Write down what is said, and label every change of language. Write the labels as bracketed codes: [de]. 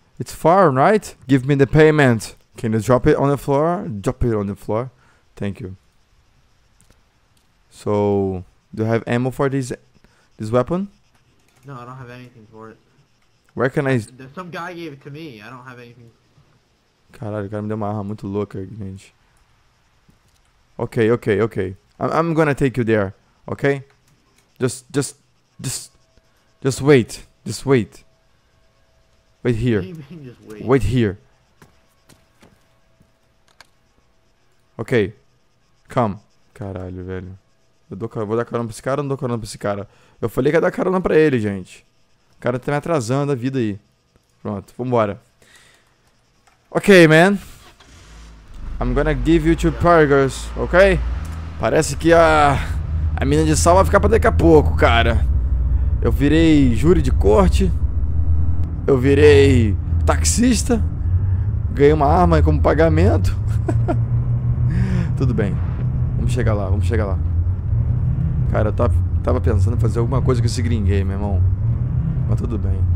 [en] It's far, right? Give me the payment. Can you drop it on the floor? Drop it on the floor. Thank you. So, do you have ammo for this weapon? No, I don't have anything for it. Where can I? There's some guy gave it to me. I don't have anything. [pt] Caralho, o cara me deu uma arma muito louca, gente. [en] Ok. I'm gonna take you there, ok? Just wait. Just wait. Wait What do here. you mean, just wait? Wait here. Ok. Come. [pt] Caralho, velho. Vou dar carona pra esse cara ou não dou carona pra esse cara? Eu falei que ia dar carona pra ele, gente. O cara tá me atrasando a vida aí. Pronto, vambora. [en] Ok, man. I'm gonna give you two burgers, ok? [pt] Parece que a mina de sal vai ficar pra daqui a pouco, cara. Eu virei júri de corte. Eu virei taxista. Ganhei uma arma como pagamento. Tudo bem. Vamos chegar lá, vamos chegar lá. Cara, tava pensando em fazer alguma coisa com esse gringuei, meu irmão. Mas tudo bem.